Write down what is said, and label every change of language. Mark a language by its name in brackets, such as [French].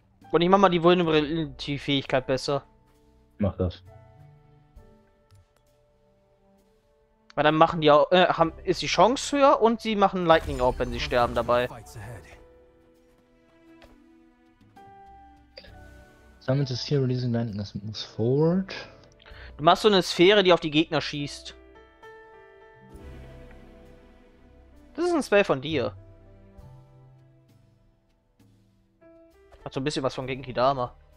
[German] Und ich mach mal die Vulnerability-Fähigkeit besser. Mach das. Weil dann machen die auch, ist die Chance höher und sie machen Lightning Orb, wenn sie sterben dabei. [English] Summon the Sphere releasing Lightning as it moves forward. [German] Du machst so eine Sphäre, die auf die Gegner schießt. Das ist ein Spell von dir. Hat so ein bisschen was von Genki-Dama.